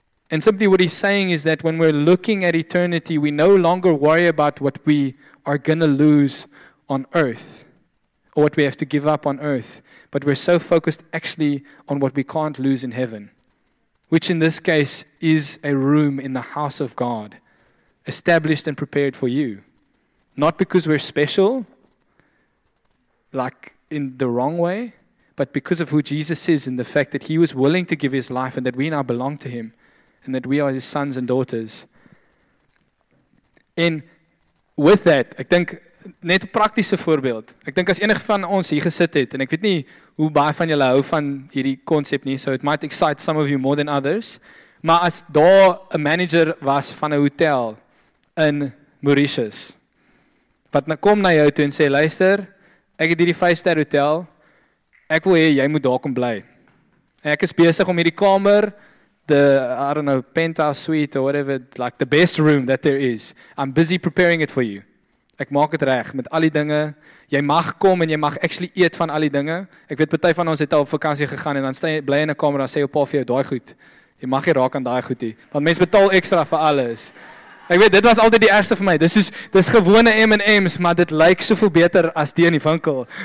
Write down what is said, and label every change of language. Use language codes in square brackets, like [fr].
[en] And simply what he's saying is that when we're looking at eternity, we no longer worry about what we are going to lose on earth or what we have to give up on earth, but we're so focused actually on what we can't lose in heaven, which in this case is a room in the house of God, established and prepared for you. Not because we're special, like in the wrong way, but because of who Jesus is and the fact that he was willing to give his life and that we now belong to him and that we are his sons and daughters. And with that, [af] ek dink net 'n praktiese voorbeeld. Ek dink as enige van ons hier gesit het, en ek weet nie hoe baie van julle hou van hierdie konsep nie, [en] so it might excite some of you more than others, [af] maar as daar 'n manager was van 'n hotel in Mauritius, wat nou kom na jou toe en sê, luister, ek het hierdie 5-ster hotel, ek wil hê jy moet daar kom bly. Ek is besig om hierdie kamer, [en] the penthouse suite or whatever, like the best room that there is, I'm busy preparing it for you. [af] Ek maak het reg met al die dinge. Jy mag kom en jy mag actually eet van al die dinge. Ek weet, partij van ons het al op vakantie gegaan en dan bly in die kamer en sê jou pa vir jou, daai goed, jy mag jy raak aan daai goed, want mens betaal extra vir alles. Ek weet, dit was altyd die ergste vir my. Dis gewone M&M's, maar dit lyk soveel beter as die in die winkel.